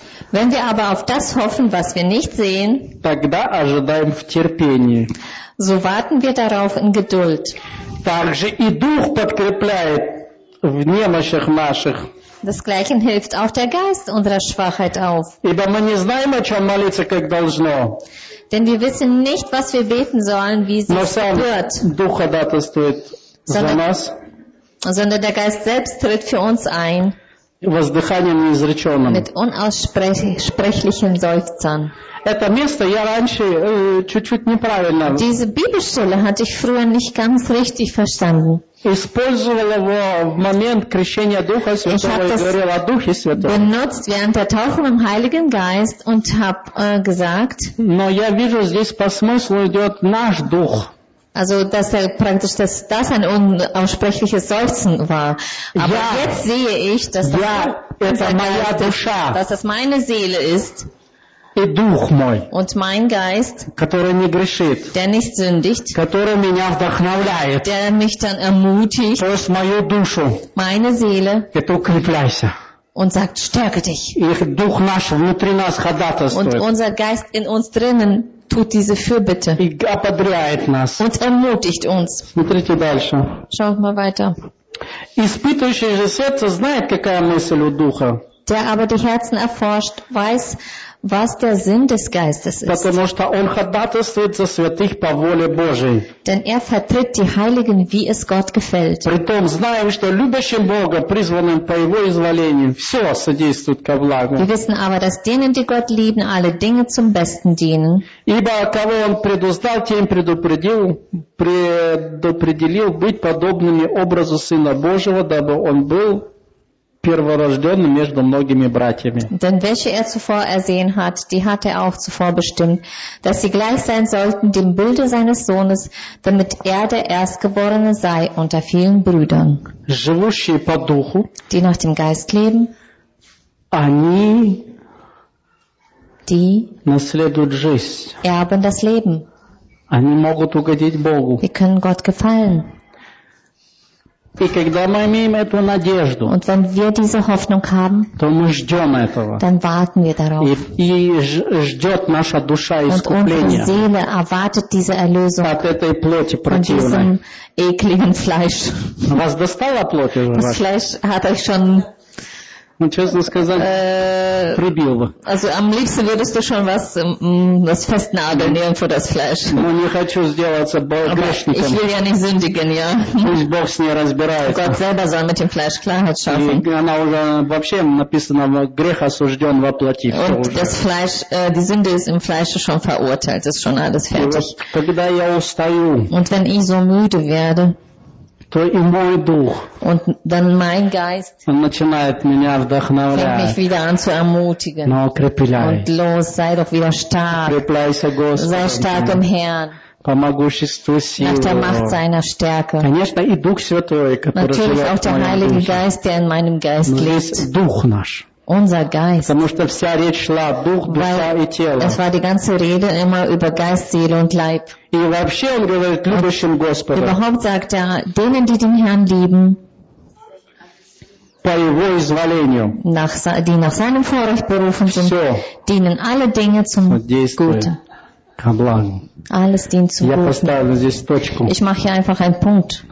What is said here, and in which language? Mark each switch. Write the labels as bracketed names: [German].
[German] Wenn wir aber auf das hoffen, was wir nicht sehen, [Russian] тогда ожидаем в терпении. [German] So warten wir darauf in Geduld. [Russian] Также и Дух подкрепляет в немощах наших. [German] Das Gleiche hilft auch der Geist unserer Schwachheit auf. Denn wir wissen nicht, was wir beten sollen, wie es wird. Sondern der Geist selbst tritt für uns ein. Mit unaussprechlichen Seufzern. [Russian] Это место я раньше чуть-чуть неправильно. [German] Diese Bibelstelle hatte ich früher nicht ganz richtig verstanden. [Russian] Использовал его в момент крещения Духа Святого и говорил о Духе Святом. [German] Benutzt während der Taufe im Heiligen Geist und habe gesagt. [Russian] Но я вижу здесь по смыслу идет наш Дух. [German] Also dass er praktisch dass das ein unaussprechliches Seufzen war. Aber ja, jetzt sehe ich, dass das, ja, das, Geist, dass das meine Seele ist. [Russian] И дух мой, [German] und mein Geist, [Russian] который не грешит, [German] der nicht sündigt, [Russian] который меня вдохновляет, [German] der mich dann ermutigt, [Russian] то есть мою душу, [German] meine Seele, [Russian] это укрепляйся, [German] und sagt, stärke dich. [Russian] Их дух наш внутри нас ходатайствует, [German] und unser Geist in uns drinnen tut diese Fürbitte, [Russian] и ободряет нас, [German] und ermutigt uns. [Russian] Смотрите дальше. [German] Schaut mal weiter. [Russian] Испытывающее же сердце знает, какая мысль у духа. [German] Der aber die Herzen erforscht, weiß, was der Sinn des Geistes ist. [Russian] Потому что он ходатайствует за святых по воле Божией. [German] Denn er vertritt die Heiligen, wie es Gott gefällt. [Russian] Притом знаем, что любящим Бога, призванным по Его изволению, все содействует ко благу. [German] Wir wissen aber, dass denen, die Gott lieben, alle Dinge zum Besten dienen. [Russian] Ибо кого Он предуздал, тем предопределил быть подобными образу Сына Божьего, дабы Он был перворожденным между многими братьями. [German] Denn welche er zuvor ersehen hat, die hat er auch zuvor bestimmt, dass sie gleich sein sollten dem Bilde seines Sohnes, damit er der Erstgeborene sei unter vielen Brüdern. [Russian] Живущие по духу, [German] die nach dem Geist leben, [Russian] они, [German] die [Russian] наследуют жизнь, [German] erben das Leben. [Russian] Они могут угодить Богу. [German] Sie können Gott gefallen. [Russian] И когда мы имеем эту надежду, [German] und wenn wir diese Hoffnung haben, [Russian] то мы ждем этого. [German] Dann warten wir darauf. [Russian] И ждет наша душа искупления. [German] Und unsere Seele erwartet diese Erlösung. [Russian] От этой плоти противной. [German] Von diesem ekligen Fleisch. [Russian] Вас достала плоть уже? [German] Das Fleisch hat euch schon. [Russian] Ну, честно сказать, прибил бы. [German] Also am liebsten würdest du schon was festnageln irgendwo das Fleisch. [Russian] Ну, не хочу сделаться грешником. [German] Ich will ja nicht sündigen, ja. [Russian] Пусть Бог с ней разбирается. [German] Gott selber soll mit dem Fleisch Klarheit schaffen. [Russian] И она уже вообще написано, грех осужден во плоти. [German] Das Fleisch, die Sünde ist im Fleisch schon verurteilt, ist schon alles fertig. [Russian] Когда я устаю. [German] Und wenn ich so müde werde. [Russian] то и мой дух. [German] Und dann mein Geist [Russian] начинает меня вдохновлять. Но укрепляй. [German] Und los, sei doch wieder stark. [Russian] Укрепляйся Господом. [German] Sei stark im Herrn. [Russian] По могуществу силы. [German] Nach der Macht seiner Stärke. [Russian] Конечно, и Дух Святой, который живет в моем духе. Дух наш. [German] Unser Geist. [Russian] Потому что вся речь шла дух, душа и тело. [German] Es war die ganze Rede immer über Geist, Seele und Leib. [Russian] И вообще он говорит любящим Господа. [German] Überhaupt sagt er denen, die den Herrn lieben. [Russian] По его изволению. [German] Nach, die nach seinem Vorrecht berufen sind. [Russian] Все. [German] Dienen alle Dinge zum Gute. [Russian] Ко благу. [German] Alles dient zum Guten. [Russian] Я поставлю здесь точку. [German] Ich mache hier einfach einen Punkt.